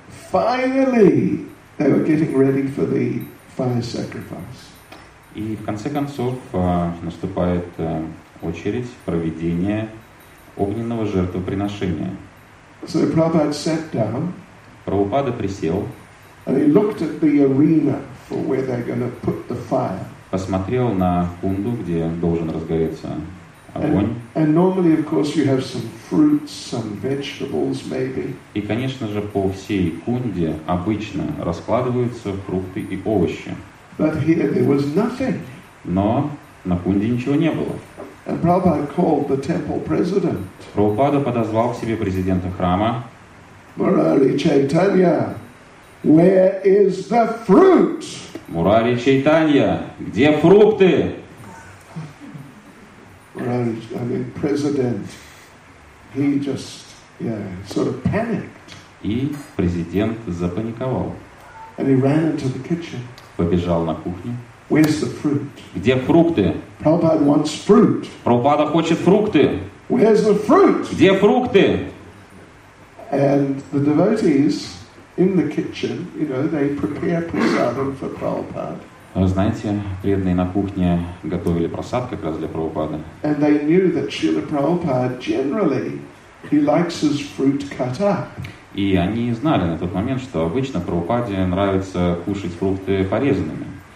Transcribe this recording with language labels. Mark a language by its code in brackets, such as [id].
[en] Finally, they were getting ready for the fire sacrifice. [ru] И в конце концов наступает очередь проведения огненного жертвоприношения. [en] So Prabhupada sat down. [ru] Прабхупада присел. [en] And he looked at the arena for where they're going to put the fire. [ru] Посмотрел на кунду, где должен разгореться огонь. [en] And normally, of course, you have some fruits, some vegetables, maybe. [ru] И, конечно же, по всей кунде обычно раскладываются фрукты и овощи. [en] But here there was nothing. [ru] Но на кунде ничего не было. [en] And Prabhupada called the temple president. [ru] Прабхупада подозвал к себе президента храма. [en] Murari Chaitanya, where is the fruit? [ru] Мурари Чайтанья, где фрукты? [en] Мурари, I mean, president, he just, yeah, sort of panicked. [ru] И президент запаниковал. [en] And he ran into the kitchen. [ru] Побежал на кухню. [en] Where's the fruit? [ru] Где фрукты? [en] Prabhupada wants fruit. [ru] Прабхупада хочет фрукты. [en] Where's the fruit? [ru] Где фрукты? [en] And the devotees in the kitchen, you know, they prepare prasadam for Prabhupada. [ru] Вы знаете, преданные на кухне готовили просад как раз для Прабхупады. [en] And they knew that Srila Prabhupada generally he likes his fruit cut up. [ru] И они знали на тот момент, что обычно Прабхупаде нравится кушать фрукты порезанными.